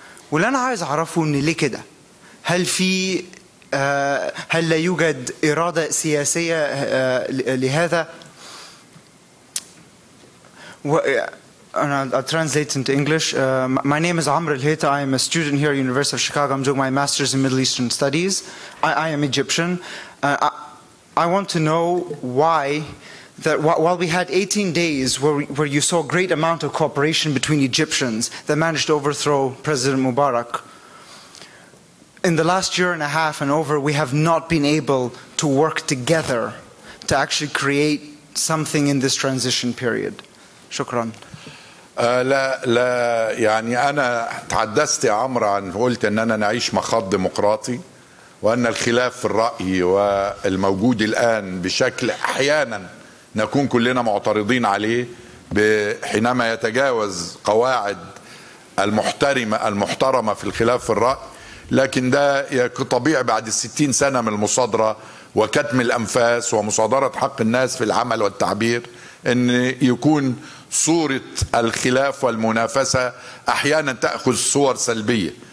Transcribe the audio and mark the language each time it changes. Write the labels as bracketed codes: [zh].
[ar] واللي أنا عايز أعرفه إن ليه كده؟ هل في هل لا يوجد إرادة سياسية لهذا؟ [en] I'll translate into English. My name is Amr Al-Heta. I am a student here at University of Chicago. I'm doing my master's in Middle Eastern Studies. I am Egyptian. I want to know why that while we had 18 days where you saw a great amount of cooperation between Egyptians that managed to overthrow President Mubarak, in the last year and a half and over, we have not been able to work together to actually create something in this transition period. [ar] شكراً. لا يعني أنا تحدثت يا عمر عن قلت أن أنا نعيش مخاض ديمقراطي وأن الخلاف في الرأي والموجود الآن بشكل أحياناً نكون كلنا معترضين عليه حينما يتجاوز قواعد المحترمة في الخلاف في الرأي، لكن ده طبيعي بعد 60 سنة من المصادرة وكتم الأنفاس ومصادرة حق الناس في العمل والتعبير أن يكون صورة الخلاف والمنافسة أحيانا تأخذ صور سلبية.